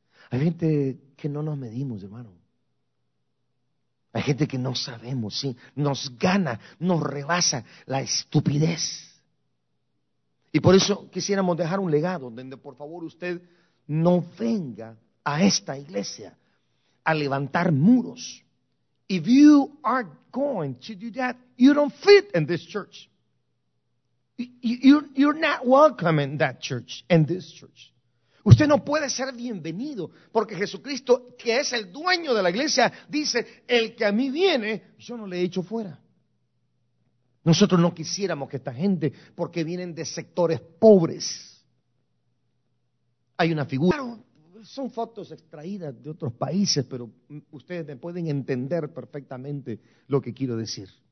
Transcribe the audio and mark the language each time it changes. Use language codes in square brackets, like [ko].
[es] Hay gente que no nos medimos, hermano. Hay gente que no sabemos, sí, nos gana, nos rebasa la estupidez. Y por eso quisiéramos dejar un legado donde por favor usted no venga a esta iglesia a levantar muros. [en] If you are going to do that, you don't fit in this church. You're not welcome in that church, in this church. [es] Usted no puede ser bienvenido, porque Jesucristo, que es el dueño de la iglesia, dice, el que a mí viene, yo no le echo fuera. Nosotros no quisiéramos que esta gente, porque vienen de sectores pobres. Hay una figura, claro, son fotos extraídas de otros países, pero ustedes me pueden entender perfectamente lo que quiero decir.